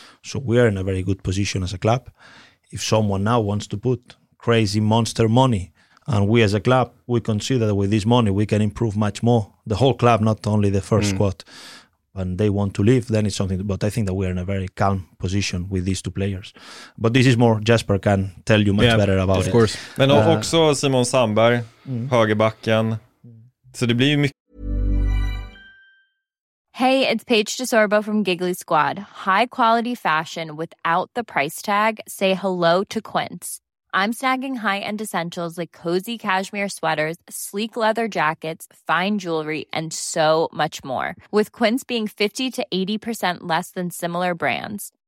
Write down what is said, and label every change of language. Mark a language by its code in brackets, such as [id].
[en] So we are in a very good position as a club. If someone now wants to put crazy monster money, and we as a club, we consider that with this money, we can improve much more. The whole club, not only the first squad. And they want to leave, then it's something. But I think that we are in a very calm position with these two players. But this is more, Jasper can tell you much better about it. Of course. [sv] Men också Simon Sandberg, högerbacken. Så det blir ju mycket. [en] Hey, it's Paige DeSorbo from Giggly Squad. High quality fashion without the price tag. Say hello to Quince. I'm snagging high-end essentials like cozy cashmere sweaters, sleek leather jackets, fine jewelry, and so much more, with Quince being 50 to 80% less than similar brands.